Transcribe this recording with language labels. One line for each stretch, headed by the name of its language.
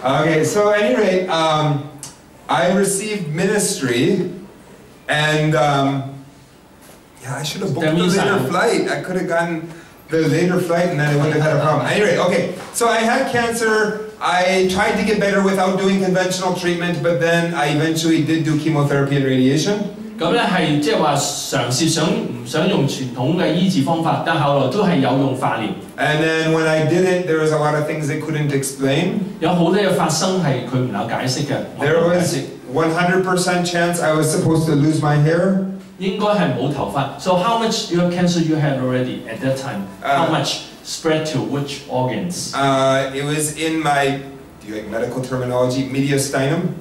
English: Okay, so at any rate, I received ministry, and I should have booked the later flight. I could have gotten the later flight, and then I wouldn't have had a problem. At any rate, okay. So I had cancer. I tried to get better without doing conventional treatment, but then I eventually did do chemotherapy and radiation.
Cantonese: 咁咧係即係話嘗試想唔想用傳統嘅醫治方法，但後來都係有用化療。
English: And then when I did it, there was a lot of things they couldn't explain.
Cantonese: 有好多嘢發生係佢唔能解釋嘅。
English: There was 100% chance I was supposed to lose my hair.
Cantonese: 應該係冇頭髮。
English: So how much your cancer you had already at that time? How much? Spread to which organs? It was in my, do you like medical terminology? Mediastinum.